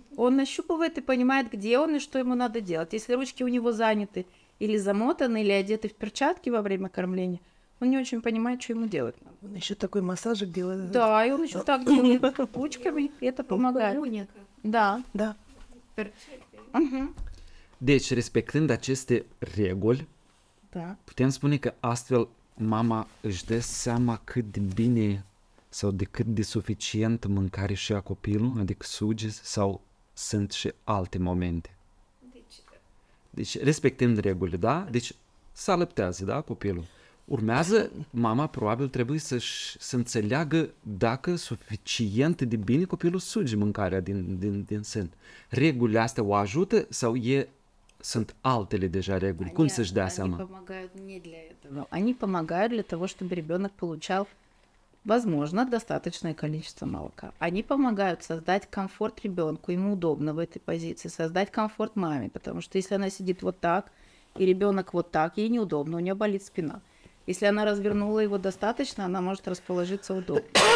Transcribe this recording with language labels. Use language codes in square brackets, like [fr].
[ru] Он нащупывает и понимает, где он и что ему надо делать. Если ручки у него заняты или замотаны, или одеты в перчатки во время кормления, он не очень понимает, что ему делать надо. Он еще такой массажик делает. Да, и он еще так делает ручками, и это помогает. Да. Да. [ro] Deci, respectând aceste reguli, putem spune că astfel mama își dă seama cât de bine sau de cât de suficient mâncare și a copilului, adică suge sau sunt și alte momente. Deci respectând regulile, da? Deci se alăptează, da, copilul. Urmează, mama probabil trebuie să înțeleagă dacă suficient de bine copilul suge mâncarea din sân. Regulile astea o ajută sau e... Sunt altele deja reguli. Cum să-și dea seama? [ru] Они помогают для того, чтобы ребенок получал, возможно, достаточное количество молока. Они помогают создать комфорт ребенку, ему удобно в этой позиции, создать комфорт маме, потому что если она сидит вот так, и ребенок вот так, ей неудобно, у нее болит спина. Если она развернула его достаточно, она может расположиться удобно.